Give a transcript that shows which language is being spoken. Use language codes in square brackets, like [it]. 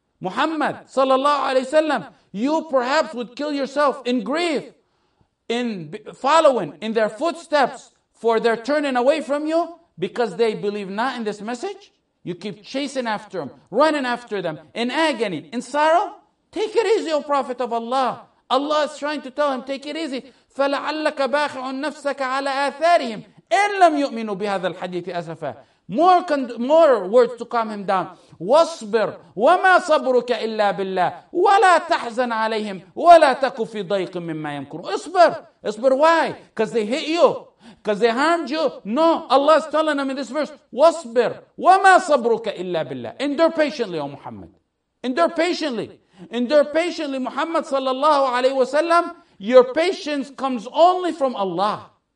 [en] Muhammad, sallallahu alayhi wa sallam, you perhaps would kill yourself in grief, in following in their footsteps for their turning away from you because they believe not in this message. You keep chasing after them, running after them in agony, in sorrow. Take it easy, O Prophet of Allah. Allah is trying to tell him, take it easy. [ar] فَلَعَلَّكَ بَاخِعُ نَفْسَكَ عَلَىٰ آثَارِهِمْ إِنْ لَمْ يُؤْمِنُوا بِهَذَا الْحَدِيثِ أَسَفًا. [en] More words to calm him down. [ar] واصبر وما صبرك إلا بالله ولا تحزن عليهم ولا تك في ضيق مما يمكرون. اصبر. اصبر [en] why? Because they hit you. Because they harmed you. No, Allah is telling them in this verse, [ar] واصبر وما صبرك إلا بالله. [en] Endure patiently, O Muhammad. Endure patiently. Endure patiently, Muhammad sallallahu alayhi wa sallam. Your patience comes only from Allah.